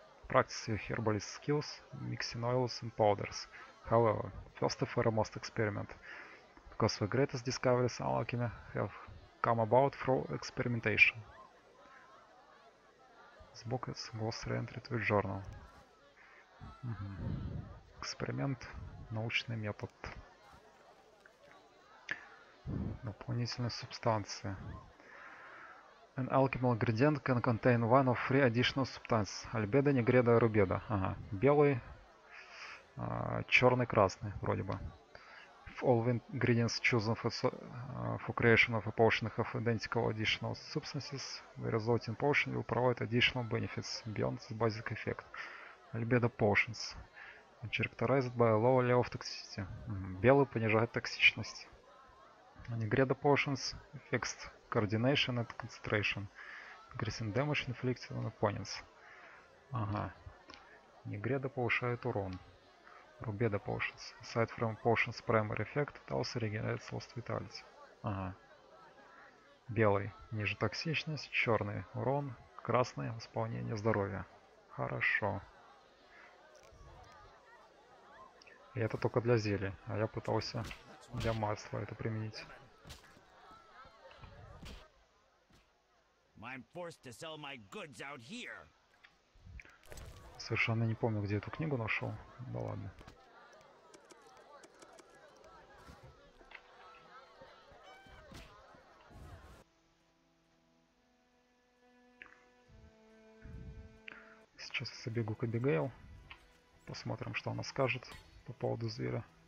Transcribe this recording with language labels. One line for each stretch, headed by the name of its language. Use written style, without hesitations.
English: Practice your herbalist skills, mixing oils and powders. However, first and foremost experiment. Because the greatest discoveries in alchemy have come about through experimentation. This book is was re-entered with journal.
Russian: Эксперимент, научный метод, дополнительные субстанции.
English: An alchemical ingredient can contain one of three additional substances: albedo, negredo, rubedo.
Russian: Ага. Белый, черный, красный, вроде бы.
English: If all the ingredients chosen for creation of a potion have identical additional substances, the resulting potion will provide additional benefits beyond the basic effect. Albedo potions. Characterized by a low level of toxicity.
Russian: Белый понижает токсичность.
English: Negredo potions affects coordination and concentration. Increasing damage inflicted on opponents.
Russian: Ага. Negredo повышает урон.
English: Rubedo potions. Aside from potions primary effect, it also regenerates lost vitality.
Russian: Ага. Белый ниже токсичность. Черный урон. Красный восполнение здоровья. Хорошо. И это только для зелий, а я пытался для масла это применить.
English: I'm forced to sell my goods out here.
Russian: Совершенно не помню, где эту книгу нашел. Да ладно. Сейчас забегу к Эбигейл. Посмотрим, что она скажет по поводу зверя.